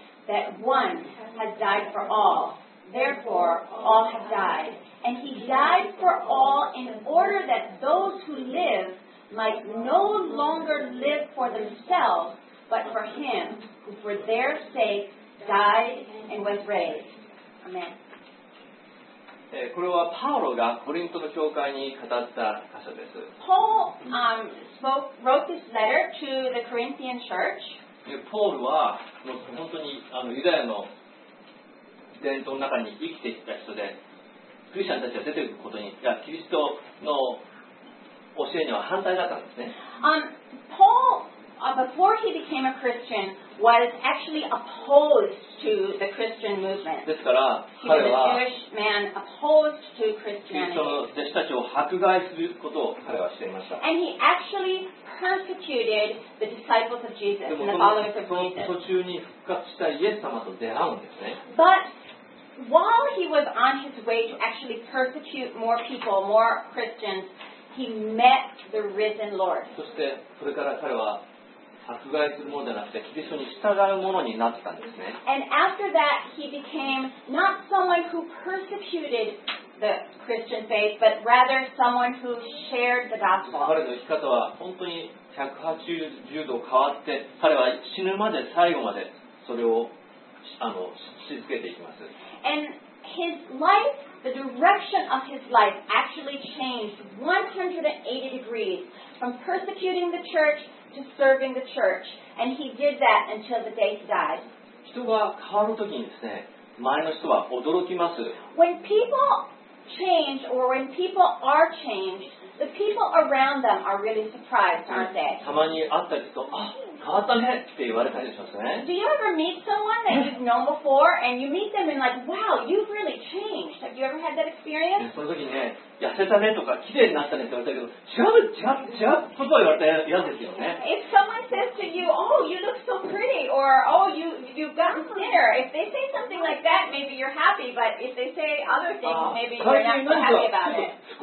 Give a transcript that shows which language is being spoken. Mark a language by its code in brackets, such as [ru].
[en] That one has died for all. Therefore, all have died. And he died for all in order that those who live might no longer live for themselves, but for him who for their sake died and was raised. Amen. [ja] これはパウロがコリントの教会に語った箇所です。 [en] Paul, wrote this letter to the Corinthian church. [ja] ポールは本当にユダヤの伝統の中に生きてきた人で、クリスチャンたちが出てくることに、いや、キリストの教えには反対だったんですね。 [en] Paul, before he became a Christian, was actually opposed to the Christian movement. [ja] ですから、彼は、 [en] he was a Jewish man opposed to Christianity. [ja] キリストの弟子たちを迫害することを彼はしていました。 [en] And he actually persecuted the disciples of Jesus and the followers of Jesus. [ja] でも、その途中に復活したイエス様と出会うんですね。 [en] But,While he was on his way to actually persecute more people, more Christians, he met the risen Lord. [ja] そしてそれから彼は迫害するものじゃなくてキリストに従うものになったんですね。 [en] And after that, he became not someone who persecuted the Christian faith, but rather someone who shared the gospel. [ja] 彼の生き方は本当に180度変わって、彼は死ぬまで最後までそれを続けていきます。 [en] And his life, the direction of his life actually changed 180 degrees from persecuting the church to serving the church. And he did that until the day he died. [ja] 人が変わるときにですね、前の人は驚きます。 [en] When people change or when people are changed, the people around them are really surprised, aren't they? [ja] たまに会った人、変わったねって言われたりしますね。 [en] Do you ever meet someone that you've known before and you meet them and like, wow, you've really changed? Have you ever had that experience? [ja] その時ね、痩せたねとか綺麗になったねって言われたけど、違う言葉言われたら嫌ですよね。 [en] If someone says to you, oh, you look so pretty or oh, you've gotten thinner, if they say something like that, maybe you're happy, but if they say other things, maybe you're not so happy about it.